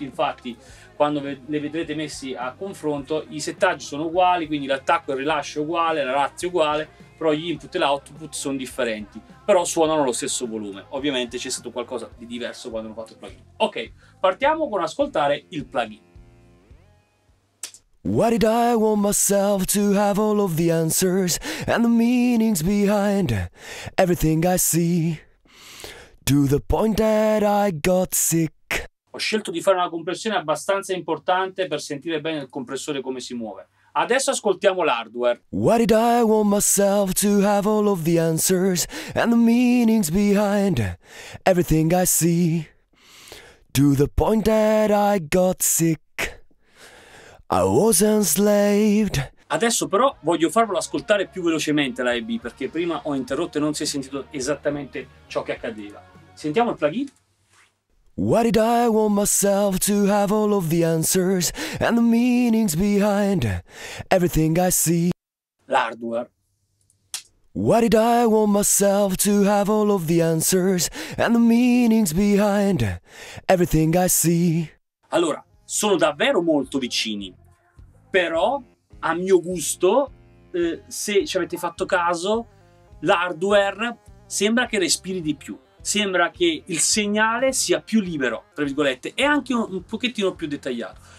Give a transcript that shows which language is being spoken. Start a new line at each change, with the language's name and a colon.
Italian: Infatti quando le vedrete messi a confronto i settaggi sono uguali, quindi l'attacco e il rilascio è uguale, la razza è uguale, però gli input e l'output sono differenti, però suonano allo stesso volume. Ovviamente c'è stato qualcosa di diverso quando hanno fatto il plugin. Ok, partiamo con ascoltare il plugin.
English: Why did I want myself to have all of the answers and the meanings behind everything I see? To the point that I got sick.
Italian: Ho scelto di fare una compressione abbastanza importante per sentire bene il compressore come si muove. Adesso ascoltiamo l'hardware.
English: Why did I want myself to have all of the answers and the meanings behind everything I see? To the point that I got sick. I was enslaved.
Italian: Adesso però voglio farvelo ascoltare più velocemente la AB, perché prima ho interrotto e non si è sentito esattamente ciò che accadeva. Sentiamo il plugin.
English: Why did I want myself to have all of the answers and the meanings behind everything I see? L'hardware. Why did I want myself to have all of the answers and the meanings behind everything I see?
Italian: Allora, sono davvero molto vicini, però a mio gusto, se ci avete fatto caso, l'hardware sembra che respiri di più. Sembra che il segnale sia più libero, tra virgolette, e anche un pochettino più dettagliato.